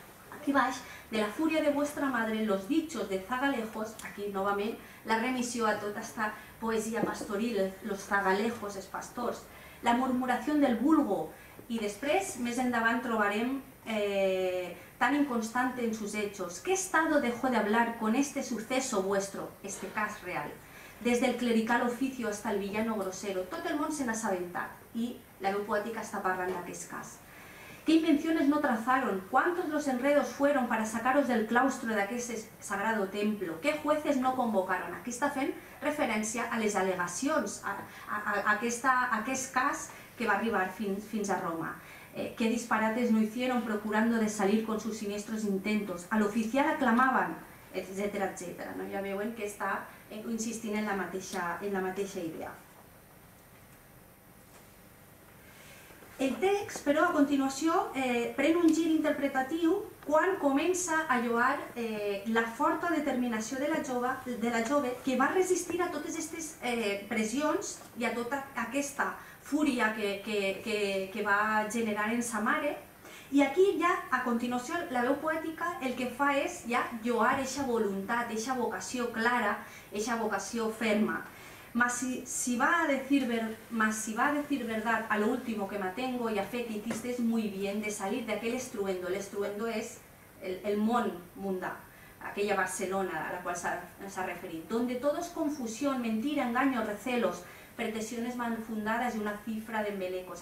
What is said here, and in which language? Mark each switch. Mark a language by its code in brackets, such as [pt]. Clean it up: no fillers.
[ca] aquí baix, de la fúria de vostra mare, [es] los dichos de zagalejos, [ca] aquí novament la remissió a tota aquesta poesia pastoril, los zagalejos, els pastors, la murmuració del vulgo, i després, més endavant, trobarem [es] tan inconstante en sus hechos. ¿Qué estado dejó de hablar con este suceso vuestro, este cas real? Desde el clerical oficio hasta el villano grosero, [ca] tot el món se n'ha assabentat, i la veu poètica està parlant d'aquest cas. [es] ¿Qué invenciones no trazaron? ¿Cuántos los enredos fueron para sacaros del claustro de aquel sagrado templo? ¿Qué jueces no convocaron? [ca] Aquí está fent referencia a les alegacions, a aquest cas que va arribar fins a Roma. [es] ¿Qué disparates no hicieron procurando de salir con sus siniestros intentos? ¿Al oficial aclamaban? Etcétera, etcétera. No? [ca] Ja veuen que està insistint en la mateixa idea. El text, però, a continuació, pren un gir interpretatiu quan comença a lloar la forta determinació de la jove que va resistir a totes aquestes pressions i a tota aquesta fúria que va generar en sa mare. I aquí ja, a continuació, la veu poètica el que fa és ja lloar eixa voluntat, eixa vocació clara, eixa vocació ferma. [es] Mas si va a decir verdad a lo último que me atengo y a fe que hiciste es muy bien de salir de aquel estruendo. El estruendo es el [ca] món mundà, [es] aquella Barcelona a la cual se ha referido, donde todo es confusión, mentira, engaño, recelos, pretensiones mal fundadas y una cifra de embelecos.